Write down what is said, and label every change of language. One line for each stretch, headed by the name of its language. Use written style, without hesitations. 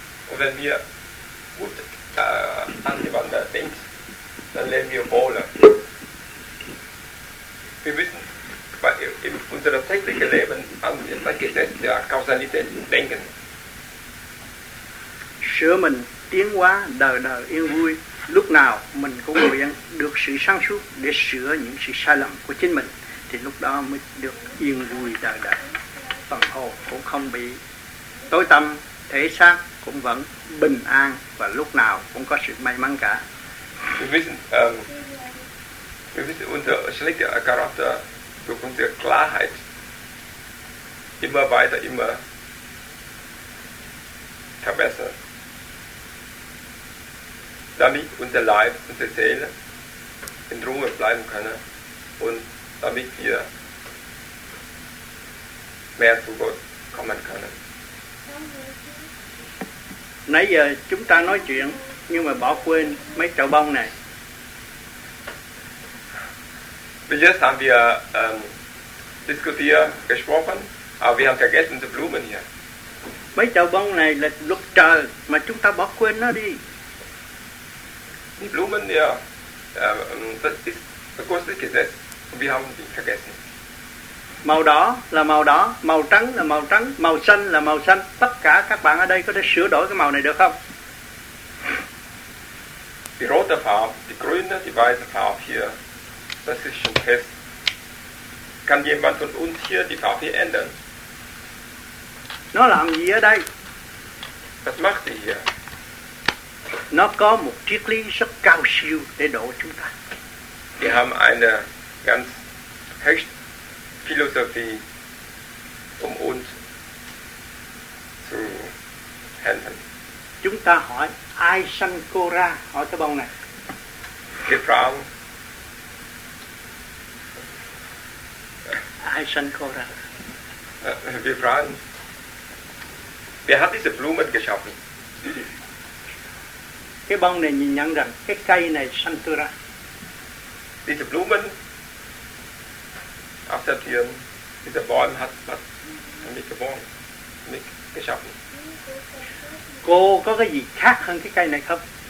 German: Und wenn wir gut an jemanden denken, dann lernen wir wohl. Wir müssen in unserem täglichen Leben an das Gesetz der Kausalität denken.
Vietnamese: Sửa mình, tiến hóa, đời đời yên vui. Lúc nào mình cũng nguyện được sự sáng suốt để sửa những sự sai lầm của chính mình. Thì lúc đó mới được yên vui đời đời, phần hồn cũng không bị tối tâm, thể xác cũng vẫn bình an và lúc nào cũng có sự may mắn cả.
German: Wir wissen unser schlechter Charakter durch unsere Klarheit immer weiter, immer verbessert, damit unser Leib, unsere Seele in Ruhe bleiben können und damit wir mehr zu Gott kommen können.
Vietnamese: Nãy giờ chúng ta nói chuyện nhưng mà bỏ quên mấy chậu bông này.
German: Bis jetzt haben wir diskutiert, gesprochen, aber wir haben vergessen die Blumen hier.
Vietnamese: Mấy chậu bông này là luật trời mà chúng ta bỏ quên nó đi.
German: Die Blumen hier, das ist ein großes Gesetz. Wir haben die vergessen.
Vietnamese: Màu đỏ là màu đỏ, màu trắng là màu trắng, màu xanh là màu xanh. Tất cả các bạn ở đây có thể sửa đổi cái màu này được không?
German: Die rote Farbe, die grüne, die weiße Farbe hier, das ist schon fest. Kann jemand von uns hier die Farbe hier ändern?
Vietnamese: Nó làm gì ở đây?
German: Was macht sie hier?
Vietnamese: Nó có một triết lý rất cao siêu để độ chúng ta.
German: Wir haben eine ganz höchst Philosophie, um uns zu helfen.
Vietnamese: Chúng ta hỏi ai sanh cô ra, hỏi cái bông này.
German: Die Frau.
Vietnamese: Ai sanh cô ra?
German: Wir fragen. Wer hat diese Blumen geschaffen?
Vietnamese: Cái bông này nhìn nhận rằng cái cây này sanh tôi ra.
German: Diese Blumen akzeptieren, diese Bäume hat was mich geboren, mich geschaffen.
Vietnamese: Cô có cái gì khác hơn cái cây này không?